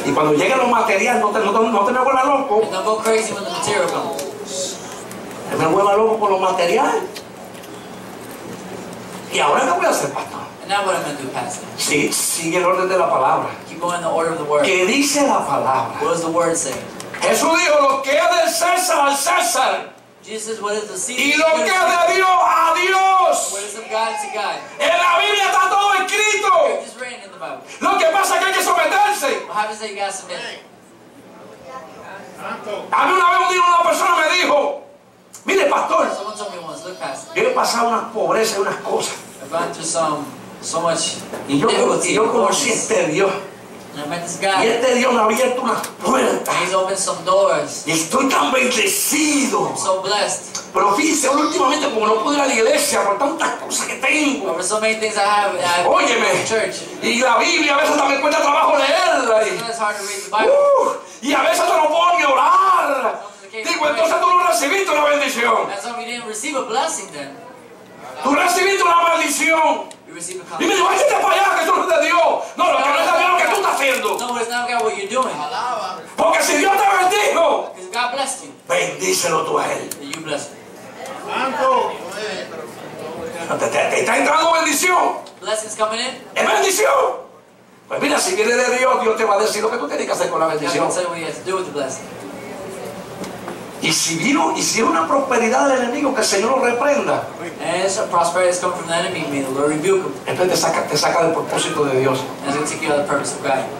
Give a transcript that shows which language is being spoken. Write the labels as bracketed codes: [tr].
[es] Y cuando llegue lo material, no te me vuelvas loco. [en] And don't go crazy when the material comes. [es] Me vuelvas loco con lo material. Y ahora qué voy a hacer, pastor. [en] And now what I'm going to do, Pastor. [es] Sí, sigue el orden de la palabra. [en] Keep going in the order of the word. [es] ¿Qué dice la palabra? [en] What does the word say? [es] Jesús dijo, lo que es del César al César. [en] Jesus, what is the Caesar? [es] Y lo que es de Dios a Dios. [en] What is of God to God? [es] En la Biblia está todo escrito. [en] It is written in the Bible. [es] Lo que pasa es que hay que someterse. [en] What happens that you got to submit? [es] A mí una vez una persona me dijo, mire, pastor. [en] Someone told me once, look, Pastor. [es] Yo he pasado unas pobrezas y unas cosas. [en] I've gone through some. So much. [es] Y yo conocí este Dios. [en] I met this guy. [es] Y este Dios me ha abierto unas puertas. [en] He's opened some doors. [es] Y estoy tan bendecido. [en] I'm so blessed. [es] Pero fíjese, últimamente como no pude ir a la iglesia por tantas cosas que tengo. [en] But for so many things I have. [es] Óyeme. [en] Church. [es] Y la Biblia a veces también cuesta trabajo leerla. [en] It's hard to read the Bible. [es] Y a veces no puedo ni orar. Digo, entonces tú no recibiste una bendición. [en] That's why we didn't receive a blessing then. [es] Tú recibiste una maldición. Y me dijo, váyate para allá, que eso no es de Dios. No, lo que no es de Dios es lo que tú estás haciendo. [en] No, it's not about what you're doing. [es] Porque si Dios te bendijo, [en] God blessed you. [es] Bendícelo tú a Él. [en] You bless me. [es] ¿Cuánto? ¿Te está entrando bendición? [en] Blessings coming in. [es] ¿Es bendición? Pues mira, si viene de Dios, Dios te va a decir lo que tú tienes que hacer con la bendición. [en] God can say what you have to do with the blessing. [es] Y si vino, y si es una prosperidad del enemigo, que el Señor lo reprenda. [en] And it's a prosperity that's come from the enemy, may the Lord rebuke him. [es] Entonces te saca del propósito de Dios. [en] And it's going to take you out of the purpose of God.